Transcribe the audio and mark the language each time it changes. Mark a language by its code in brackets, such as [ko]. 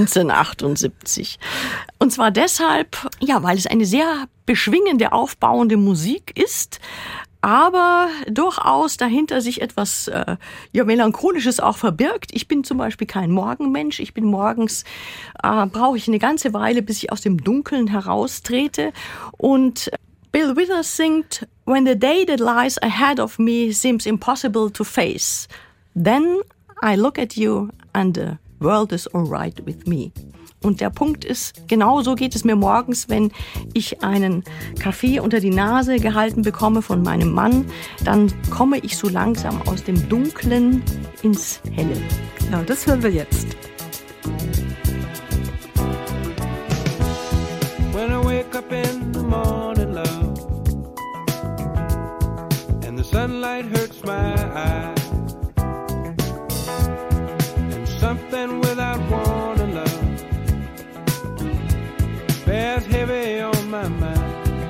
[de] 1978. Und zwar deshalb, ja, weil es eine sehr beschwingende, aufbauende Musik ist, aber durchaus dahinter sich etwas Melancholisches auch verbirgt. Ich bin zum Beispiel kein Morgenmensch. Ich bin morgens, brauche ich eine ganze Weile, bis ich aus dem Dunkeln heraustrete. Und Bill Withers singt, [en] "When the day that lies ahead of me seems impossible to face, then I look at you and the world is all right with me." [de] Und der Punkt ist, genau so geht es mir morgens, wenn ich einen Kaffee unter die Nase gehalten bekomme von meinem Mann, dann komme ich so langsam aus dem Dunklen ins Helle. Genau, das hören wir jetzt. [en] When I wake up in the morning, love, and the sunlight hurts my eyes, and something without warning, bears heavy on my mind.